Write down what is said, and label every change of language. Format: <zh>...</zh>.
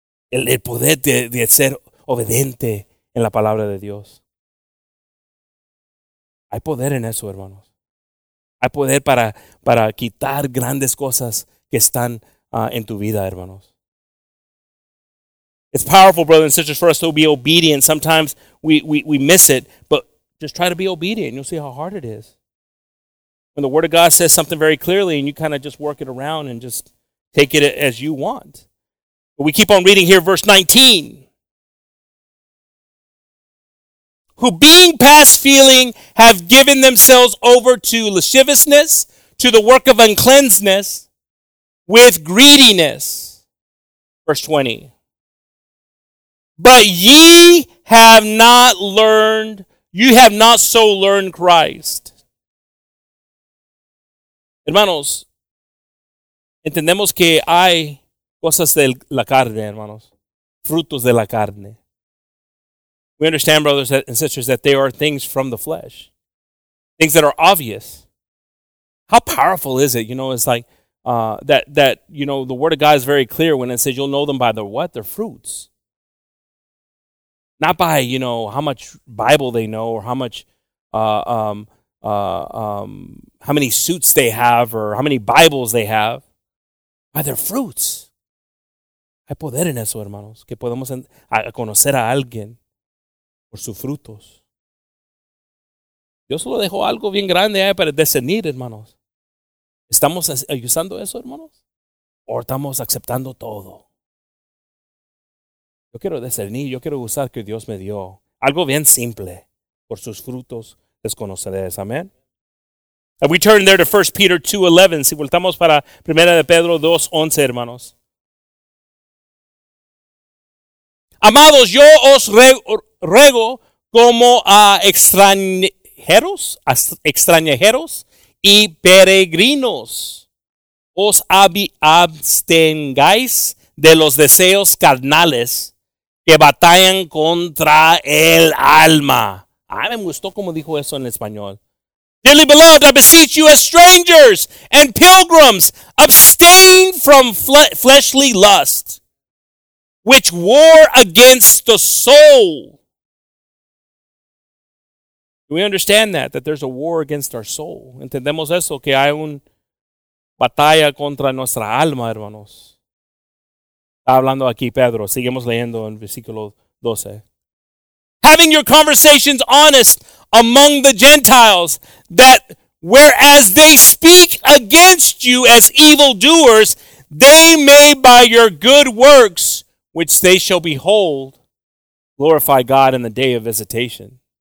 <es>El poder de ser obediente en la palabra de Dios. Hay poder en eso, hermanos. Hay poder para quitar grandes cosas que están en tu vida, hermanos.</es> <en>It's powerful, brothers and sisters, for us to be obedient. Sometimes we miss it, but just try to be obedient. You'll see how hard it is. When the Word of God says something very clearly and you kind of just work it around and just take it as you want. But we keep on reading here, verse 19. Who being past feeling have given themselves over to lasciviousness, to the work of uncleanness, with greediness. Verse 20. But ye have not learned, you have not so learned Christ.</en> <es>Hermanos, entendemos que hay cosas de la carne, hermanos. Frutos de la carne.</es> <en>We understand, brothers and sisters, that there are things from the flesh. Things that are obvious. How powerful is it? You know, it's like that, you know, the Word of God is very clear when it says you'll know them by their what? Their fruits. Not by, you know, how much Bible they know or how many suits they have or how many Bibles they have, by their fruits.</en> <es>Hay poder en eso, hermanos, que podemos conocer a alguien por sus frutos. Dios solo dejó algo bien grande para discernir, hermanos. ¿Estamos usando eso, hermanos? ¿O estamos aceptando todo? Yo quiero discernir, yo quiero usar que Dios me dio algo bien simple por sus frutos desconocedores. Amén.</es> <en>And we turn there to 1 Peter 2:11. Si voltamos para Primera de Pedro 2:11, hermanos.</en> <es>Amados, yo os ruego como a extranjeros y peregrinos, os abstengáis de los deseos carnales que batallan contra el alma. Ay, me gustó como dijo eso en español.</es> <en>Dearly beloved, I beseech you as strangers and pilgrims, abstain from fleshly lust, which war against the soul. Do we understand that there's a war against our soul?</en> <es>Entendemos eso, que hay una batalla contra nuestra alma, hermanos. Está hablando aquí Pedro. Seguimos leyendo en versículo 12.</es> <en>Having your conversations honest among the Gentiles, that whereas they speak against you as evildoers, they may by your good works which they shall behold, glorify God in the day of visitation.</en>